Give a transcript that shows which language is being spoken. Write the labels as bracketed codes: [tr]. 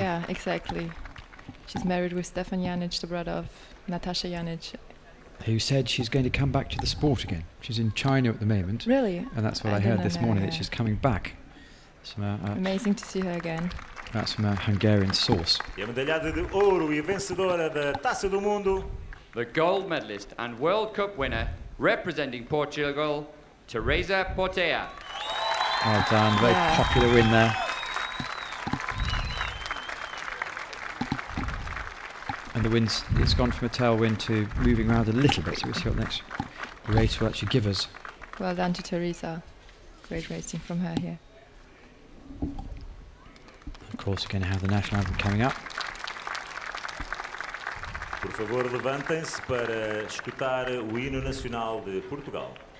[en] Yeah, exactly. She's married with Stefan Janic, the brother of Natasha Janic. Who said she's going to come back to the sport again. She's in China at the moment. Really? And that's what I heard this morning, that she's coming back. Amazing to see her again. That's from a Hungarian source. [pt] E a medalhada de ouro e vencedora da Taça do Mundo. [en] The gold medalist and World Cup winner, representing Portugal, Teresa Portela. Well done, very popular win there. And the wind's, it's gone from a tailwind to moving around a little bit, so we'll see what next race will actually give us. Well done to Teresa. Great racing from her here. Of course, we're going to have the national anthem coming up. [pt] Por favor, levantem-se para escutar o hino nacional de Portugal.